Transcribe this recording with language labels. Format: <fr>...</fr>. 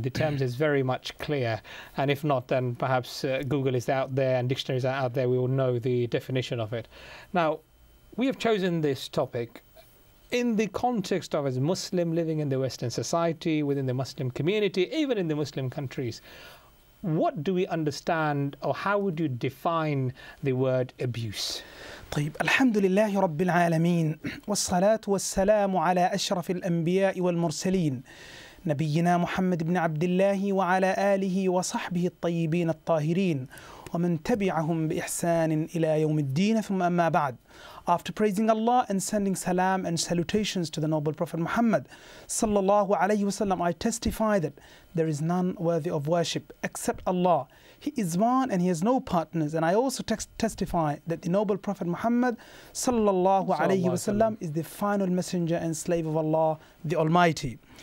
<en>The terms is very much clear. And if not, then perhaps Google is out there and dictionaries are out there. We will know the definition of it. Now, we have chosen this topic in the context of as Muslim living in the Western society, within the Muslim community, even in the Muslim countries. What do we understand, or how would you define the word abuse?</en> <ar>طيب الحمد لله رب العالمين والصلاة والسلام على أشرف الأنبياء والمرسلين نبينا محمد بن عبد الله وعلى آله وصحبه الطيبين الطاهرين ومن تبعهم بإحسان إلى يوم الدين ثم أما بعد.</ar> <en>After praising Allah and sending salam and salutations to the noble Prophet Muhammad sallallahu alayhi wasallam, I testify that there is none worthy of worship except Allah. He is one and he has no partners. And I also testify that the noble Prophet Muhammad sallallahu alayhi wasallam is the final messenger and slave of Allah, the Almighty.</en>